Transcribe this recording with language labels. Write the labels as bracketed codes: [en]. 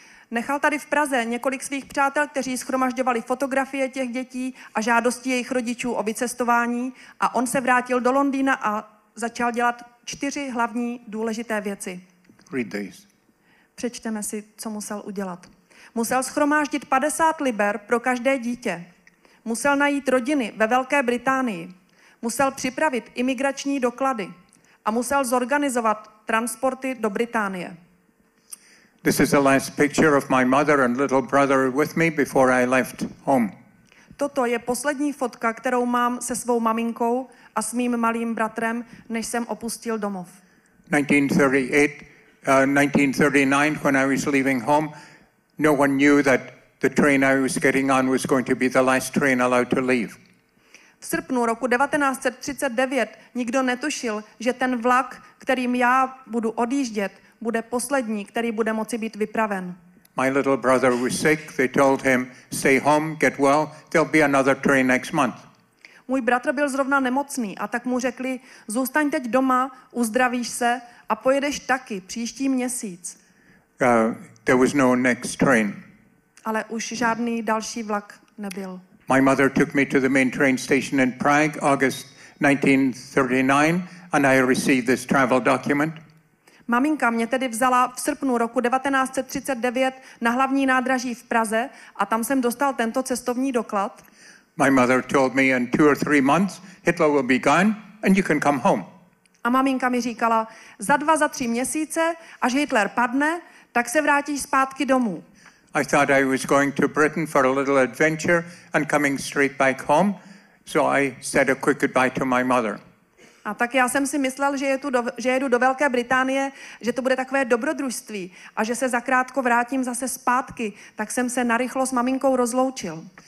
[cs] Nechal tady v Praze několik svých přátel, kteří shromažďovali fotografie těch dětí a žádosti jejich rodičů o vycestování a on se vrátil do Londýna a začal dělat čtyři hlavní důležité věci. [en] Read these. [cs] Přečteme si, co musel udělat. Musel shromáždit 50 liber pro každé dítě. Musel najít rodiny ve Velké Británii. Musel připravit imigrační doklady. A musel zorganizovat transporty do Británie. [en] This is the last picture of my mother and little brother with me before I left home. [cs] Toto je poslední fotka, kterou mám se svou maminkou a s mým malým bratrem, než jsem opustil domov. [en] 1939, when I was leaving home, no one knew that the train I was getting on was going to be the last train allowed to leave. [cs] V srpnu roku 1939 nikdo netušil, že ten vlak, kterým já budu odjíždět, bude poslední, který bude moci být vypraven. [en] My little brother was sick. They told him, stay home, get well. There'll be another train next month. [cs] Můj bratr byl zrovna nemocný a tak mu řekli, zůstaň teď doma, uzdravíš se a pojedeš taky příští měsíc. [en] There was no next train. [cs] Ale už žádný další vlak nebyl. [en] My mother took me to the main train station in Prague, August 1939, and I received this travel document. [cs] Maminka mě tedy vzala v srpnu roku 1939 na hlavní nádraží v Praze a tam jsem dostal tento cestovní doklad. [en] My mother told me in 2 or 3 months Hitler will be gone and you can come home. [cs] A maminka mi říkala, za 2, za 3 měsíce, až Hitler padne, tak se vrátíš zpátky domů. [en] I thought I was going to Britain for a little adventure and coming straight back home, so I said a quick goodbye to my mother. [cs] A tak já jsem si myslel, že jedu do Velké Británie, že to bude takové dobrodružství a že se zakrátko vrátím zase zpátky, tak jsem se narychlo s maminkou rozloučil.